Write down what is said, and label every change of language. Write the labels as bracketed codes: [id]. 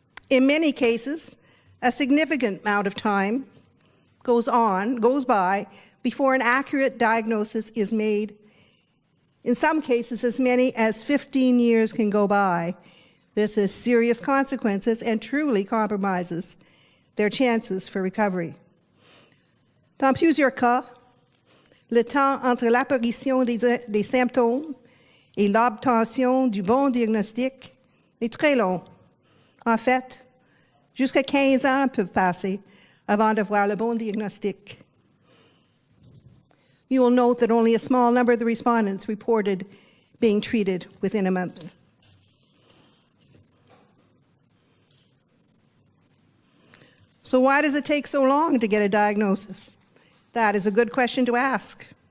[en] In many cases, a significant amount of time goes by, before an accurate diagnosis is made. In some cases, as many as 15 years can go by. This has serious consequences and truly compromises their chances for recovery. [fr] Dans plusieurs cas, le temps entre l'apparition des symptômes et l'obtention du bon diagnostic est très long. En fait, jusqu'à 15 ans peuvent passer avant d'avoir le bon diagnostic. [en] You will note that only a small number of the respondents reported being treated within a month. So why does it take so long to get a diagnosis? That is a good question to ask.